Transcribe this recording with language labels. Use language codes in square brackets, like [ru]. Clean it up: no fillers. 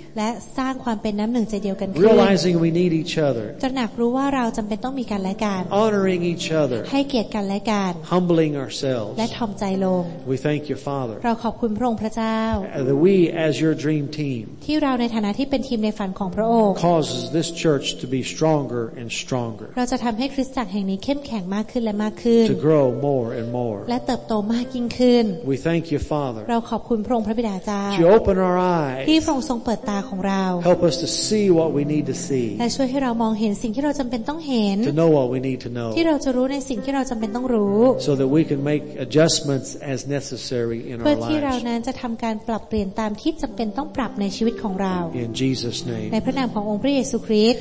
[th] และสร้างความเป็นน้ำหนึ่งใจเดียวกันขึ้น [en] realizing we need each other [th] ตระหนักรู้ว่าเราจำเป็นต้องมีกันและกัน [en] honoring each other [th] ให้เกียรติกันและกัน [en] humbling ourselves [th] และถ่อมใจลง [en] we thank you father [th] เราขอบคุณพระองค์พระเจ้า [en] that we as your dream team [th] ที่เราในฐานะที่เป็นทีมในฝันของพระองค์ [en] causes this church to be stronger and stronger [th] เราจะทำให้คริสตจักรแห่งนี้เข้มแข็งมากขึ้นและมากขึ้น [en] to grow more and more [th] และเติบโตมากยิ่งขึ้น [en] We thank you, Father. [th] เราขอบคุณพระองค์พระบิดาเจ้า [en] You open our eyes. [th] ที่พระองค์ทรงเปิดตาของเรา [en] Help us to see what we need to see. [th] และช่วยให้เรามองเห็นสิ่งที่เราจำเป็นต้องเห็น [en] To know what we need to know. [th] ที่เราจะรู้ในสิ่งที่เราจำเป็นต้องรู้ [en] So that we can make adjustments as necessary in our lives. [th] เพื่อที่เรานั้นจะทำการปรับเปลี่ยนตามที่จำเป็นต้องปรับในชีวิตของเรา [en] In Jesus' name. [th] ในพระนามขององค์พระเยซูคริสต์